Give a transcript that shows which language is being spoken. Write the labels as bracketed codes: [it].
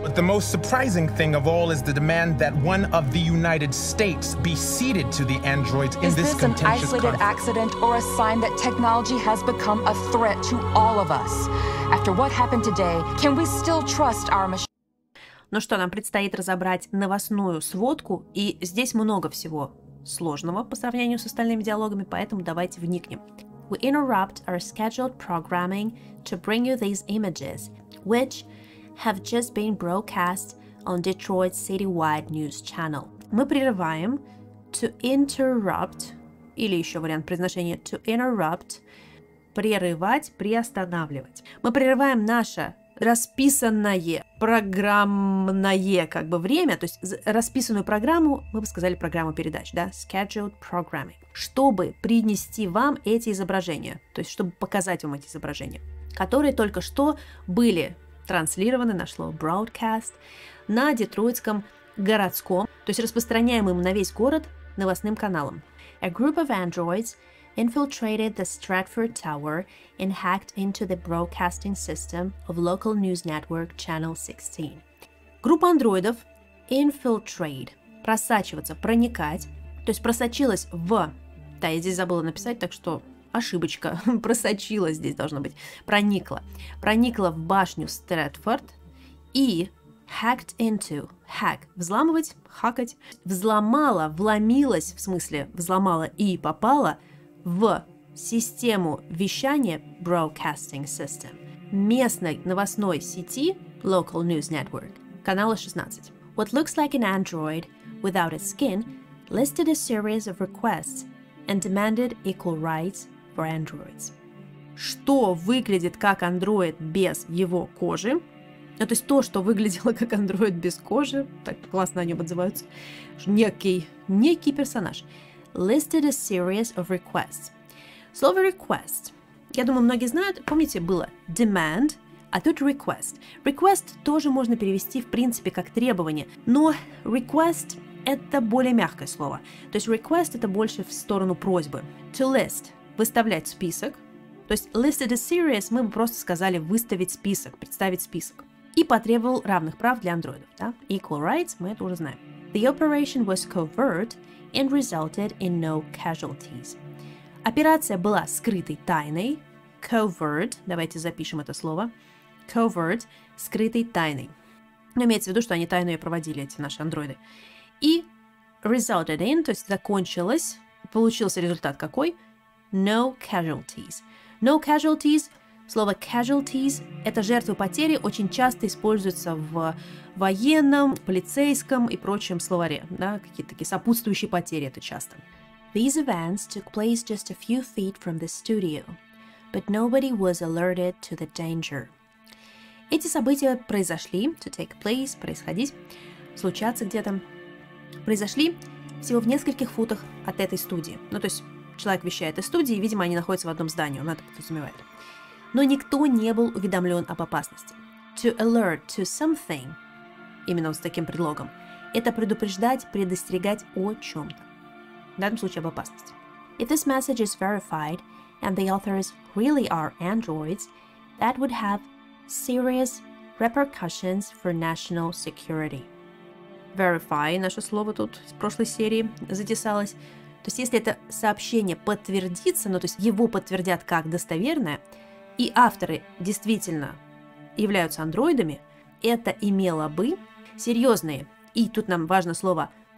[en] But the most surprising thing of all is the demand that one of the United States be ceded to the androids in this contentious conflict. Is this an isolated accident or a sign that technology has become a threat to all of us? After what happened today, can we still trust our machine? [ru] Ну что, нам предстоит разобрать новостную сводку, и здесь много всего сложного по сравнению с остальными диалогами, поэтому давайте вникнем. [en] We interrupt our scheduled programming to bring you these images, which have just been broadcast on Detroit Citywide News Channel. [ru] Мы прерываем [en] to interrupt, [ru] или еще вариант произношения to interrupt, прерывать, приостанавливать. Мы прерываем наше расписанное, программное как бы время, то есть расписанную программу, мы бы сказали программу передач, да, [en] scheduled programming, [ru] чтобы принести вам эти изображения, то есть чтобы показать вам эти изображения, которые только что были транслированы, нашло broadcast, на детройтском городском, то есть распространяемым на весь город новостным каналом. [en] A group of androids infiltrated the Stratford Tower and hacked into the broadcasting system of local news network Channel 16. [ru] Группа андроидов infiltrate, просачиваться, проникать, то есть просочилась в, да, я здесь забыла написать, так что ошибочка, просочилась здесь должно быть, проникла, проникла в башню Stratford и [en] hacked into, hack, [ru] взламывать, хакать, взломала, вломилась, в смысле взломала и попала в систему вещания [en] broadcasting system [ru] местной новостной сети [en] local news network [ru] канала 16. [en] What looks like an android without a skin listed a series of requests and demanded equal rights for androids. [ru] Что выглядит как андроид без его кожи? Ну, то есть то, что выглядело как андроид без кожи, так классно о нем отзываются, некий персонаж. [en] Listed a series of requests. [ru] Слово request. Я думаю, многие знают. Помните, было demand, а тут request. Request тоже можно перевести, в принципе, как требование. Но request – это более мягкое слово. То есть request – это больше в сторону просьбы. [en] To list [ru] – выставлять список. То есть [en] listed a series [ru] мы бы просто сказали выставить список, представить список. И потребовал равных прав для андроидов. Да? [en] Equal rights [ru] – мы это уже знаем. [en] The operation was covert and resulted in no casualties. [ru] Операция была скрытой, тайной. [en] Covert. [ru] Давайте запишем это слово. Covert. Скрытой, тайной. Но имеется в виду, что они тайно ее проводили, эти наши андроиды. И [en] resulted in, [ru] то есть закончилось, получился результат какой? [en] No casualties. No casualties. [ru] Слово casualties – это жертвы потери, очень часто используется в военном, полицейском и прочем словаре. Да? Какие-то такие сопутствующие потери – это часто. [en] These events took place just a few feet from the studio, but nobody was alerted to the danger. [ru] Эти события произошли, [en] to take place, [ru] происходить, случаться где-то, произошли всего в нескольких футах от этой студии. Ну, то есть человек вещает из студии, и, видимо, они находятся в одном здании, он это подразумевает. Но никто не был уведомлен об опасности. [en] To alert to something, [ru] именно с таким предлогом, это предупреждать, предостерегать о чем-то. В данном случае об опасности. [en] If this message is verified and the authors really are androids, that would have serious repercussions for national security. [ru] Verify, наше слово тут с прошлой серии затесалось. То есть если это сообщение подтвердится, ну то есть его подтвердят как достоверное, и авторы действительно являются андроидами, это имело бы серьезные, и тут нам важно слово